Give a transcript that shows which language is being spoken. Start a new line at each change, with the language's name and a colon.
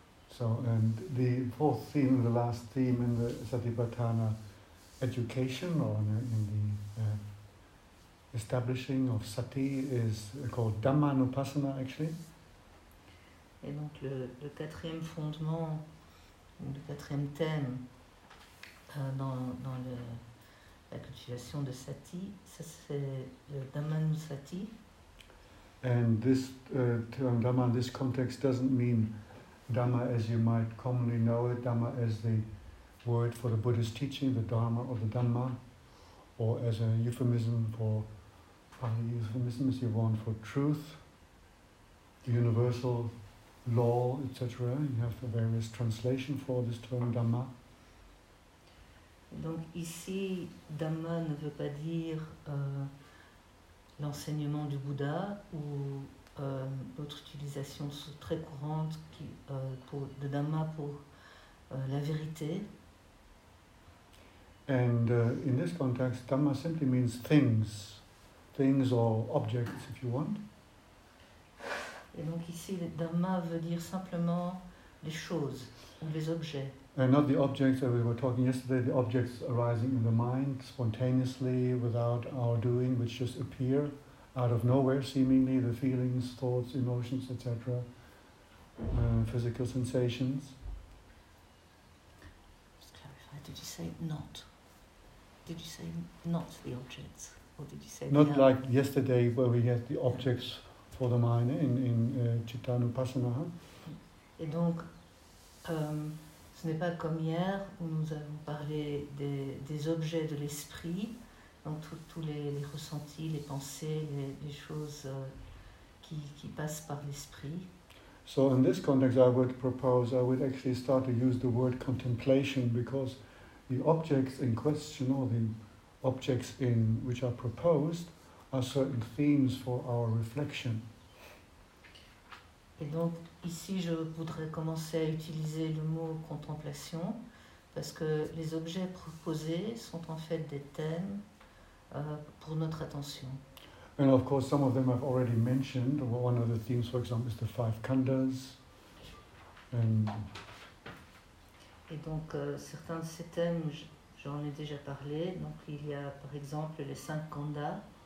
English: So, and the fourth theme, the last theme in the Satipatthana, education, or in the establishing of sati, is called Dhammanupassana, actually.
French: Et donc le quatrième fondement, le quatrième thème dans la cultivation de sati, ça c'est le Dhammanusati.
English: And this term Dhamma in this context doesn't mean Dhamma as you might commonly know it, Dhamma as the word for the Buddhist teaching, the Dharma or the Dhamma, or as a euphemism for, probably euphemism as you want, for truth, the universal law, etc. You have the various translation for this term Dhamma.
French: Donc ici, Dhamma ne veut pas dire l'enseignement du Bouddha ou l'autre utilisation très courante de Dhamma pour la vérité.
English: And in this context, Dhamma simply means things. Things or objects, if you want.
French: Et donc ici, Dhamma veut dire simplement les choses ou les objets.
English: And not the objects that we were talking yesterday, the objects arising in the mind spontaneously without our doing, which just appear out of nowhere seemingly, the feelings, thoughts, emotions, etc., physical sensations. Just clarify, did you say not? Did you say not the objects? Or did you say not the, like yesterday where we had the objects for the mind in Chittanupassana?
French: Et donc, ce n'est pas comme hier où nous avons parlé des objets de l'esprit, donc tous les ressentis, les pensées, les choses qui passent par l'esprit.
English: So in this context, I would actually start to use the word contemplation, because the objects in question, or the objects in which are proposed, are certain themes for our reflection.
French: Et donc ici, je voudrais commencer à utiliser le mot contemplation, parce que les objets proposés sont en fait des thèmes pour notre attention.
English: And of course, some of them I've already mentioned. One of the themes, for example, is the five khandhas.
French: Et donc certains de ces thèmes, j'en ai déjà parlé. Donc il y a par exemple les cinq khandhas.